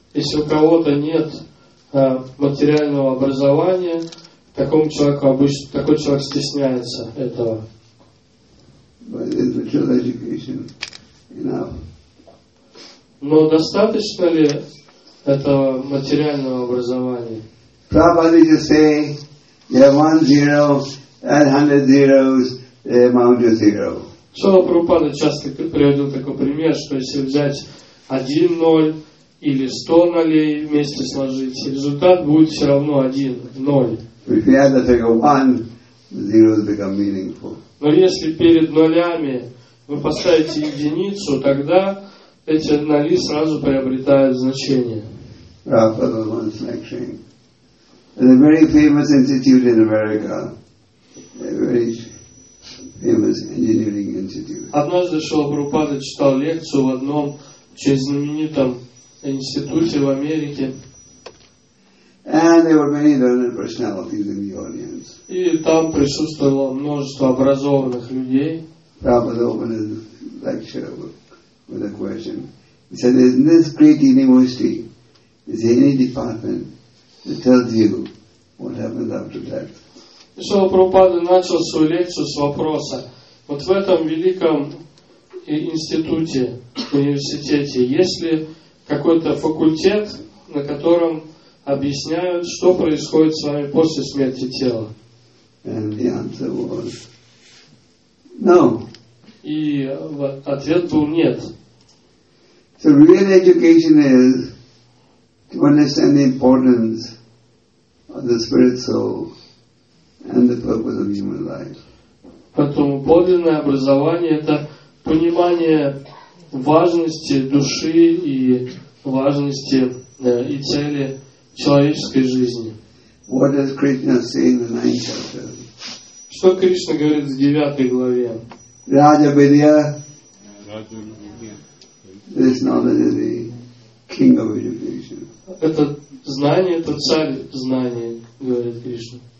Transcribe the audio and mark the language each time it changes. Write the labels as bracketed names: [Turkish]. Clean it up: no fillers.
[Russian] Если у кого-то нет материального образования, такой человек стесняется этого. [English] But if the spiritual education enough? [Russian] Но достаточно ли этого материального образования? [English] Prabhupada used to say, there are one zero and 100 zeros, the amount is zero. [Russian] Шрила Прабхупада часто приводил такой пример, что если взять 1 ноль или 100 нолей вместе сложить, результат будет все равно 1 ноль. [English] If you add the figure 1, zeros become meaningful. [Russian] Но если перед нулями вы поставите единицу, тогда эти нули сразу приобретают значение. [English] Prabhupada once lectured at a very famous institute in America, famous engineering institute. [Russian] Однажды Шрила Прабхупада читал лекцию в одном очень знаменитом институте в Америке. [English] And there were many learned personalities in the audience. [Russian] И там присутствовало множество образованных людей. [English] Prabhupada opened his lecture with a question. He said, "In this great university, is there any department that tells you what happens after death?" [Russian] И Шрила Прабхупада начал свою лекцию с вопроса. Вот в этом великом институте, университете, есть ли какой-то факультет, на котором объясняют, что происходит с вами после смерти тела? [English] And the answer was, no. [Russian] И ответ был нет. [English] So real education is to understand the importance of the spirit soul and the purpose of human life. [Russian] Поэтому подлинное образование это понимание важности души и важности и цели человеческой жизни. [English] What does Krishna say in the 9th chapter? [Russian] Что Кришна говорит в 9 главе? [English] Raja Vidya. This knowledge is the king of education. [Russian] Это знание, это царь знания, говорит Кришна.